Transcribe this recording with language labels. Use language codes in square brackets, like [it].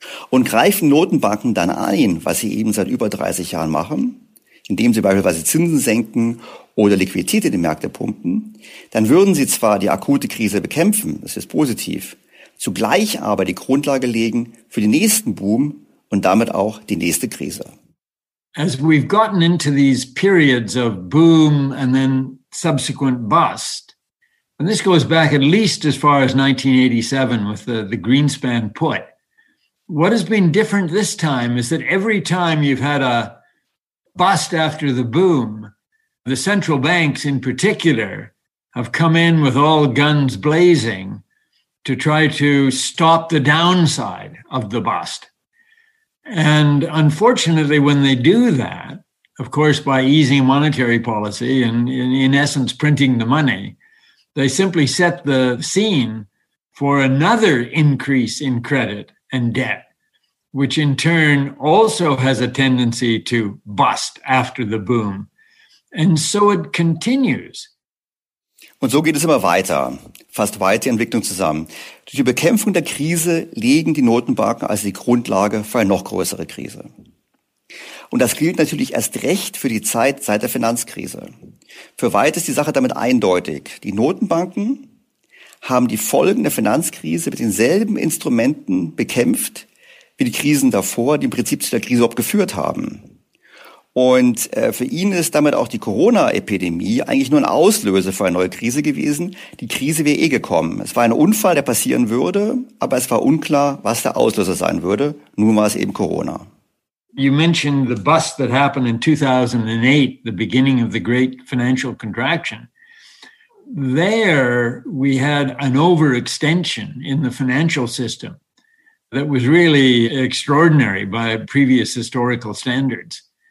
[de] Und greifen Notenbanken dann ein, was sie eben seit über 30 Jahren machen, indem sie beispielsweise Zinsen senken oder Liquidität in die Märkte pumpen, dann würden sie zwar die akute Krise bekämpfen, das ist positiv, zugleich aber die Grundlage legen für den nächsten Boom und damit auch die nächste Krise. [en] As we've gotten into these periods of boom and then subsequent bust, and this goes back at least as far as 1987 with the Greenspan put, what has been different this time is that every time you've had a bust after the boom, the central banks in particular have come in with all guns blazing to try to stop the downside of the bust. And unfortunately, when they do that, of course, by easing monetary policy and in essence printing the money, they simply set the scene for another increase in credit and debt, which in turn also has a tendency to bust after the boom. And so it continues. [de] Und so geht es immer weiter, fast weiter Entwicklung zusammen. Durch die Bekämpfung der Krise legen die Notenbanken also die Grundlage für eine noch größere Krise. Und das gilt natürlich erst recht für die Zeit seit der Finanzkrise. Für White ist die Sache damit eindeutig. Die Notenbanken haben die Folgen der Finanzkrise mit denselben Instrumenten bekämpft, wie die Krisen davor, die im Prinzip zu der Krise überhaupt geführt haben. Und für ihn ist damit auch die Corona-Epidemie eigentlich nur ein Auslöser für eine neue Krise gewesen. Die Krise wäre eh gekommen. Es war ein Unfall, der passieren würde, aber es war unklar, was der Auslöser sein würde. Nun war es eben Corona. [en] You mentioned the bust that happened in 2008, the beginning of the great financial contraction. There we had an overextension in the financial system that was really extraordinary by previous historical standards.